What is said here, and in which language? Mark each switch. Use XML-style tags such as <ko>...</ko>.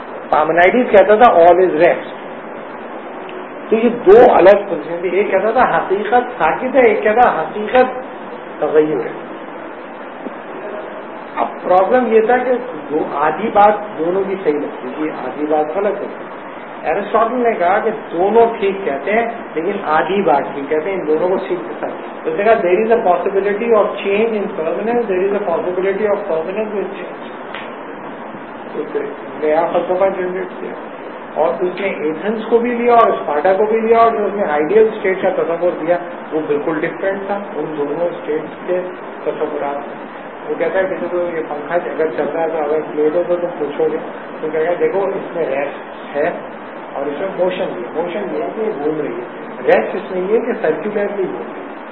<ur>پارمنائیڈیز کہتا تھا</ur> <en>All is rest.</en> <ur>تو یہ دو الگ فلسفیں تھیں, ایک کہتا تھا حقیقت ساکت ہے, ایک کہتا حقیقت تغیر ہے. اب پرابلم یہ تھا کہ دو آدھی بات دونوں بھی صحیح لگتی تھی, آدھی بات غلط ہوتی. ایرسٹاٹل نے کہا کہ دونوں ٹھیک کہتے ہیں لیکن آدھی بات ٹھیک کہتے ہیں, ان دونوں کو سیکھ سکتے. تو اس نے کہا</ur> <en>There is a possibility of change in permanence, there is a possibility of permanence in change.</en> <ur>نیا فلسفہ جنریٹ کیا اور اس نے ایتھنس کو بھی لیا اور اسپارٹا کو بھی لیا, اور جو اس نے آئیڈیل اسٹیٹ کا تصور دیا وہ بالکل ڈفرینٹ تھا ان دونوں اسٹیٹس کے تصورات. وہ کہتا ہے کسی کو یہ پنکھا اگر چل رہا ہے تو اگر پلیٹ ہو تو تم پوچھو گے, تو کہہ گیا دیکھو اس میں ریسٹ ہے اور اس میں موشن بھی ہے, موشن یہ ہے کہ یہ گھوم رہی ہے, ریسٹ اس میں یہ ہے کہ سرکولر بھی ہو رہی ہے.</ur>